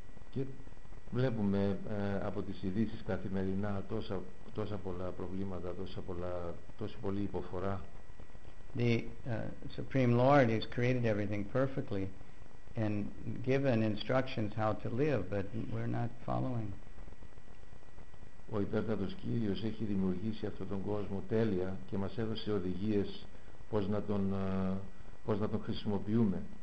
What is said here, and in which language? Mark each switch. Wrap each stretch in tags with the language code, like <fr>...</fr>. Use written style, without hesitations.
<el>Και βλέπουμε από τις ειδήσεις καθημερινά τόσα πολλά προβλήματα, τόση πολλή υποφορά.</el> <en>The Supreme Lord has created everything perfectly and given instructions how to live, but we're not following.</en> <el>Ο υπέρτατος Κύριος έχει δημιουργήσει αυτόν τον κόσμο τέλεια και μας έδωσε οδηγίες πώς να τον χρησιμοποιούμε.</el>